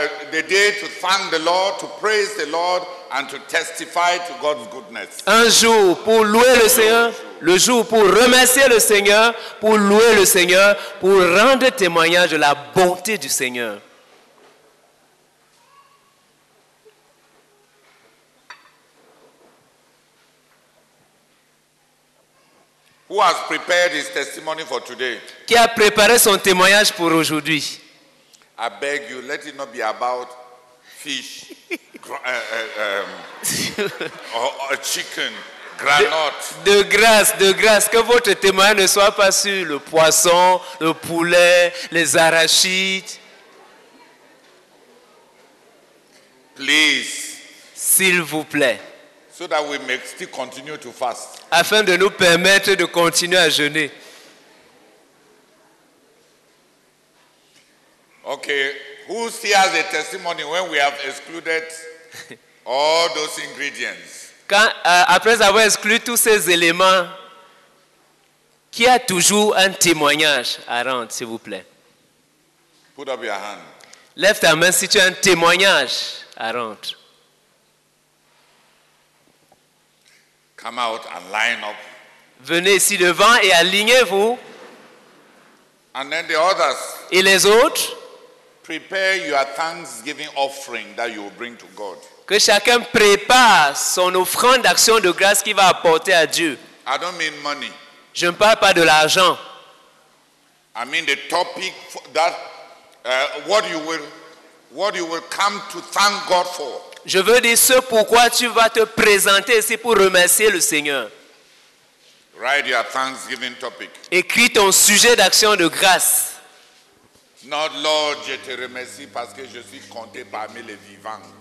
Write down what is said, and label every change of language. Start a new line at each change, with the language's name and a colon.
English: The day to thank the Lord, to praise the Lord, and to testify to God's goodness.
French: Un jour pour louer le Seigneur, le jour pour remercier le Seigneur, pour louer le Seigneur, pour rendre témoignage de la bonté du Seigneur.
English: Who has prepared his testimony for today?
French: Qui a préparé son témoignage pour aujourd'hui?
English: I beg you, let it not be about fish, or chicken, granite.
French: De grâce, que votre témoignage ne soit pas sur le poisson, le poulet, les arachides.
English: Please.
French: S'il vous plaît.
English: So that we may still continue to fast.
French: Afin de nous permettre de continuer à jeûner.
English: Okay, who still has a testimony when we have excluded all those ingredients?
French: Quand, après avoir exclu tous ces éléments, qui a toujours un témoignage à rendre, s'il vous plaît?
English: Put up your hand.
French: Lève ta main si tu as un témoignage à rendre.
English: Come out and line up.
French: Venez ici devant et alignez-vous.
English: And then the others.
French: Et les autres.
English: Prepare your thanksgiving offering that you will bring to God.
French: Que chacun prépare son offrande d'action de grâce qu'il va apporter à Dieu.
English: I don't mean money.
French: Je ne parle pas de l'argent.
English: I mean the topic that what you will come to thank God for.
French: Je veux dire ce pourquoi tu vas te présenter ici pour remercier le Seigneur.
English: Write your thanksgiving topic.
French: Écris ton sujet d'action de grâce.
English: Not
French: Lord, je te remercie parce que je suis compté parmi les vivants.